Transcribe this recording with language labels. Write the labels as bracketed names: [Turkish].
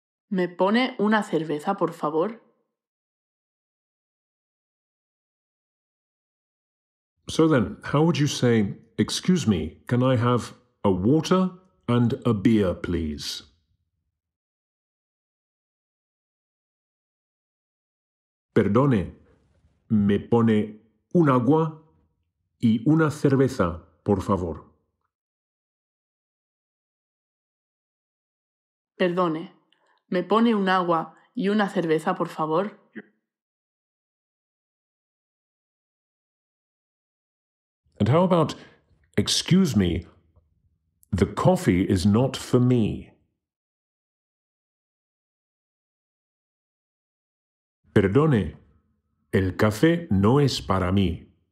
[Spanish] Me pone una cerveza, por favor. [English] So then, how would you say, excuse me, can I have a water and a beer, please? [Spanish] Perdone, me pone un agua y una cerveza, por favor. Perdone, me pone un agua y una cerveza, por favor. [English] And how about, excuse me, the coffee is not for me. [Spanish] Perdone, el café no es para mí.